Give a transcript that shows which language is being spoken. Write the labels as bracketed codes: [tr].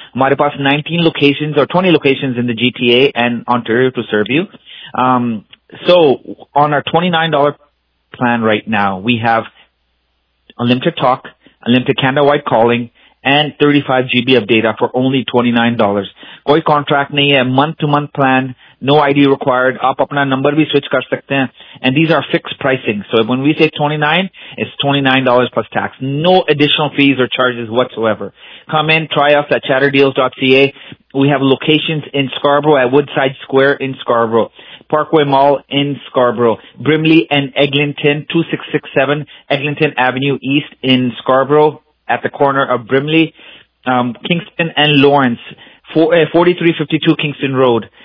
[hi] Hamare paas [en] 19 locations or 20 locations in the GTA and Ontario to serve you. So on our $29 plan right now, we have unlimited talk, unlimited Canada-wide calling, and 35 GB of data for only $29. [hi] कोई contract नहीं है, [en] month-to-month plan, no ID required, [hi] आप अपना number भी switch कर सकते हैं. [en] And these are fixed pricing. So when we say 29, it's $29 plus tax. No additional fees or charges whatsoever. Come in, try us at chatterdeals.ca. We have locations in Scarborough at Woodside Square in Scarborough, Parkway Mall in Scarborough, Brimley and Eglinton, 2667 Eglinton Avenue East in Scarborough, at the corner of Brimley, Kingston and Lawrence, 4352 Kingston Road.